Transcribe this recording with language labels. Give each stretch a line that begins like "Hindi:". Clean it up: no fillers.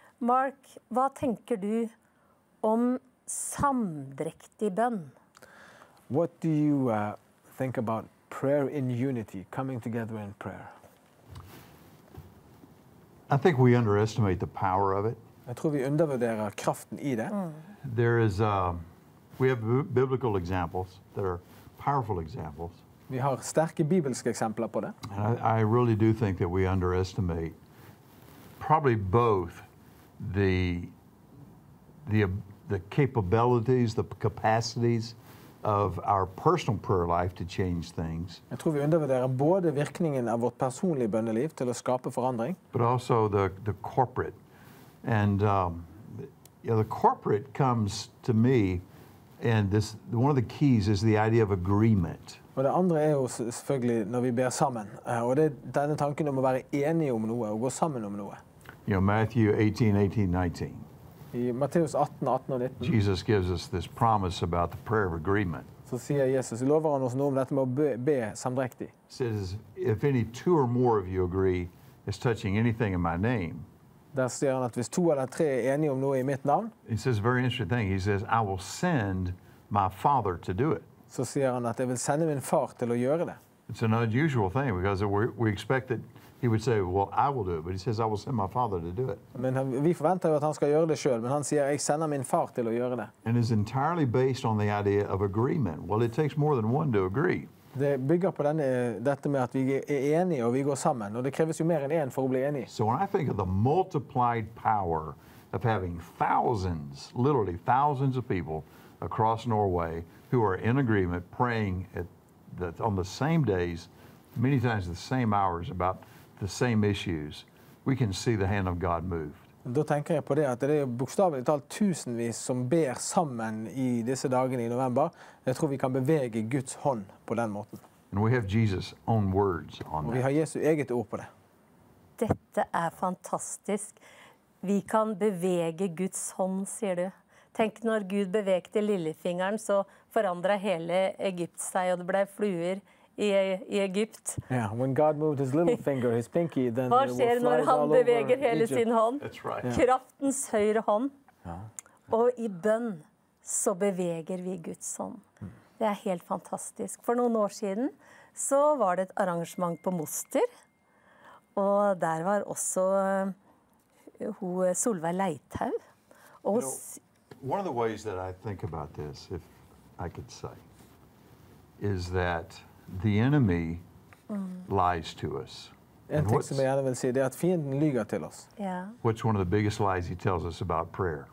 Norwegian: Mark, hva tenker du om samdrektig bønn?
English: What do you think about prayer in unity, coming together in prayer? I think we underestimate the power of it.
Norwegian: Jeg tror vi undervurderer kraften i det.
English: There is we have biblical examples that are powerful examples.
Norwegian: Vi har sterke bibelske eksempler på det.
English: And I really do think that we underestimate probably both the capabilities, the capacities of our personal prayer life to change things.
Norwegian: Jeg tror vi undervurderer både virkningen av vårt personlige bønneliv til å skape forandring,
English: but also the corporate. And the corporate comes to me, and this one of the keys is the idea of agreement.
Norwegian: Og det andre er jo selvfølgelig når vi ber sammen, og det er denne tanken om å være enige om noe og gå sammen om noe.
English: You know, Matthew 18:18-19.
Norwegian: I Matteus 18:18-19.
English: Jesus gives us this promise about the prayer of agreement.
Norwegian: Så sier Jesus, lover han oss noe om dette med å be samdrektig.
English: Says, if any two or more of you agree is touching anything in my name.
Norwegian: Der sier han at hvis to eller tre er enige om noe i mitt navn,
English: he says a very interesting thing. He says, I will send my father to do it.
Norwegian: Så sier han at jeg vil sende min far til å gjøre det.
English: It's an unusual thing, because we expect that he would say, well, I will do it, but he says, I will send my father to do it.
Norwegian: Men vi forventer jo at han skal gjøre det selv, men han sier, jeg sender min far til å gjøre det.
English: And it's entirely based on the idea of agreement. Well, it takes more than one to agree.
Norwegian: Det bygger på dette med at vi er enige og vi går sammen, og det kreves jo mer enn en for å bli enige.
English: So when I think of the multiplied power of having thousands, literally thousands of people across Norway who are in agreement praying on the same days, many times the same hours about the same issues, we can see the hand of God move.
Norwegian: Da tenker jeg på det at det er bokstavelig talt tusenvis som ber sammen i disse dagene i november. Jeg tror vi kan bevege Guds hånd på den måten.
English: And we have Jesus' own words on that.
Norwegian: Vi har Jesu eget ord på det. Dette er fantastisk. Vi kan bevege Guds hånd, sier du. Tenk når Gud bevegte lillefingeren, så forandret hele Egypt seg, og det ble fluer i Egypt.
English: Yeah, when God moved his little finger, his pinky, then
Norwegian: hva skjer når han beveger hele Egypt? Sin hånd?
English: That's right. Yeah.
Norwegian: Kraftens høyre hånd.
English: Yeah.
Norwegian: Og i bønn så beveger vi Guds hånd. Det er helt fantastisk. For noen år siden så var det et arrangement på Moster, og der var også Solveig Leithau.
English: You know, one of the ways that I think about this, if I could say, is that the enemy lies to us.
Norwegian: En ting som jeg gjerne vil si, det er at fienden lyger til oss.
English: Yeah. What's one of the biggest lies he tells us about prayer?